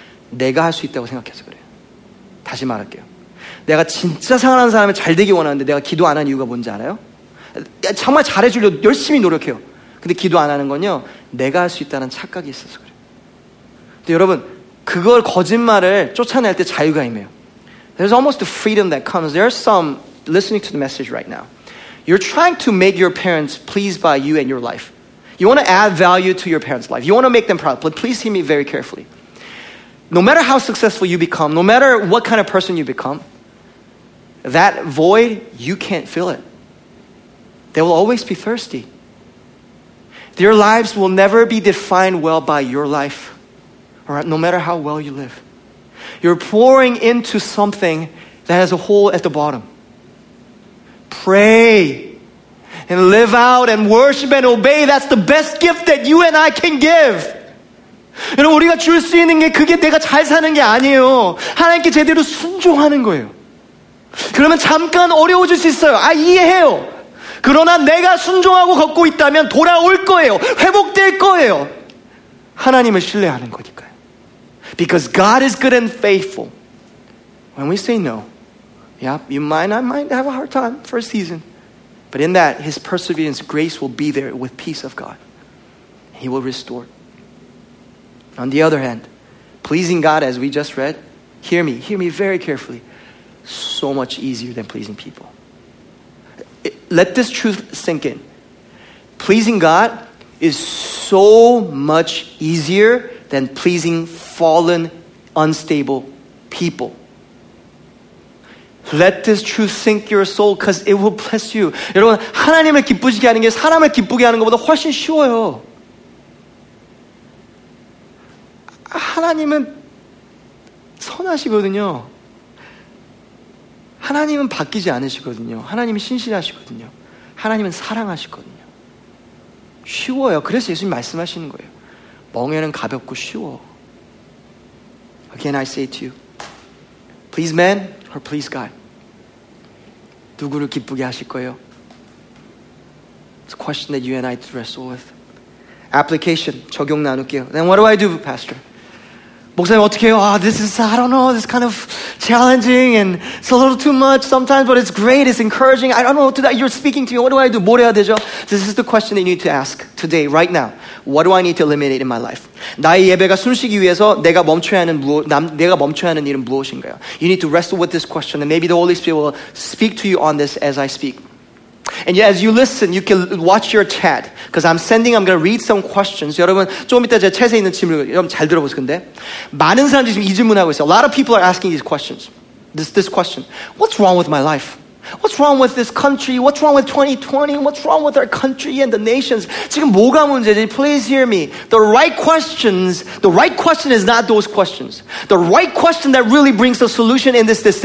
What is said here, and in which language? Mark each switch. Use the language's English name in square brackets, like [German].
[Korean] 내가 할 수 있다고 생각해서 그래요. 다시 말할게요. 내가 진짜 사랑하는 사람을 잘 되기 원하는데 내가 기도 안 한 이유가 뭔지 알아요? 정말 잘해주려고 열심히 노력해요. 근데 기도 안 하는 건요, 내가 할 수 있다는 착각이 있어서 그래요. 근데 여러분, 그걸 거짓말을 쫓아낼 때 자유가 임해요. [English] There's almost the freedom that comes. There are some listening to the message right now. You're trying to make your parents pleased by you and your life. You want to add value to your parents' life. You want to make them proud. But please hear me very carefully. No matter how successful you become, no matter what kind of person you become, that void, you can't fill it. They will always be thirsty. Your lives will never be defined well by your life, all right? No matter how well you live. You're pouring into something that has a hole at the bottom. Pray and live out and worship and obey. That's the best gift that you and I can give. [Korean] 여러분, 우리가 줄 수 있는 게 그게 내가 잘 사는 게 아니에요. 하나님께 제대로 순종하는 거예요. 그러면 잠깐 어려워질 수 있어요. 아, 이해해요. 그러나 내가 순종하고 걷고 있다면 돌아올 거예요. 회복될 거예요. 하나님을 신뢰하는 거니까요. [English] Because God is good and faithful. When we say no, yeah, you might, I might have a hard time for a season. But in that, his perseverance, grace will be there with peace of God. He will restore. On the other hand, pleasing God, as we just read, hear me very carefully, so much easier than pleasing people. Let this truth sink in. Pleasing God is so much easier than pleasing fallen, unstable people. Let this truth sink your soul because it will bless you. [Korean] 여러분, 하나님을 기쁘시게 하는 게 사람을 기쁘게 하는 것보다 훨씬 쉬워요. 하나님은 선하시거든요. 하나님은 바뀌지 않으시거든요. 하나님은 신실하시거든요. 하나님은 사랑하시거든요. 쉬워요. 그래서 예수님 말씀하시는 거예요. 멍에는 가볍고 쉬워. [English] Again, I say to you, please man or please God. [Korean] 누구를 기쁘게 하실 거예요? [English] It's a question that you and I wrestle with. Application, [Korean] 적용 나눌게요. [English] Then what do I do, Pastor? [Korean] 목사님 어떻게 해요? [English] Oh, this is, I don't know, this is kind of challenging and it's a little too much sometimes, but it's great, it's encouraging. I don't know what to do. You're speaking to me. What do I do? [Korean] 뭘 해야 되죠? [English] This is the question that you need to ask today, right now. What do I need to eliminate in my life? [Korean] 나의 예배가 숨쉬기 위해서 내가 멈춰야 하는 일은 무엇인가요? [English] You need to wrestle with this question and maybe the Holy Spirit will speak to you on this as I speak. And yeah, as you listen, you can watch your chat because I'm going to read some questions. [Korean] 여러분, 조금 이따 제 채색 있는 질문 여러분 잘 들어보세요. 근데 많은 사람들이 지금 이 질문 하고 있어요. [English] A lot of people are asking these questions. This question. What's wrong with my life? What's wrong with this country? What's wrong with 2020? What's wrong with our country and the nations? [Korean] 지금 뭐가 문제지? [English] Please hear me. The right question is not those questions. The right question that really brings the solution in this.